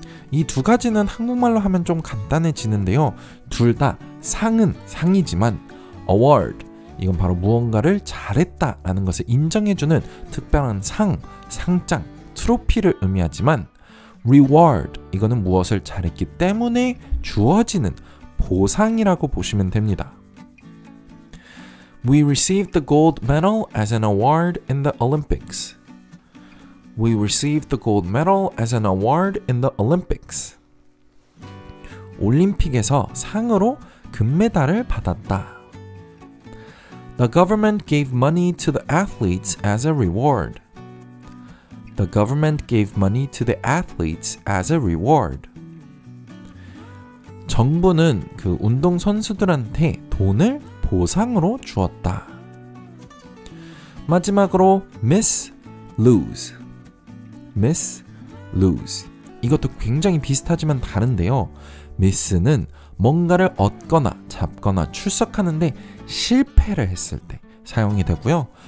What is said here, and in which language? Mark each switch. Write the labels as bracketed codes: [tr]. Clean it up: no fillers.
[ko] 이 두 가지는 한국말로 하면 좀 간단해지는데요. 둘 다 상은 상이지만 award, 이건 바로 무언가를 잘했다라는 것을 인정해주는 특별한 상, 상장, 트로피를 의미하지만 reward, 이거는 무엇을 잘했기 때문에 주어지는 보상이라고 보시면 됩니다. [en] We received the gold medal as an award in the Olympics. We received the gold medal as an award in the Olympics. [ko] 올림픽에서 상으로 금메달을 받았다. [en] The government gave money to the athletes as a reward. The government gave money to the athletes as a reward. [ko] 정부는 그 운동 선수들한테 돈을 보상으로 주었다. 마지막으로 miss, lose. miss, lose. 이것도 굉장히 비슷하지만 다른데요. miss는 뭔가를 얻거나 잡거나 출석하는데 실패를 했을 때 사용이 되고요.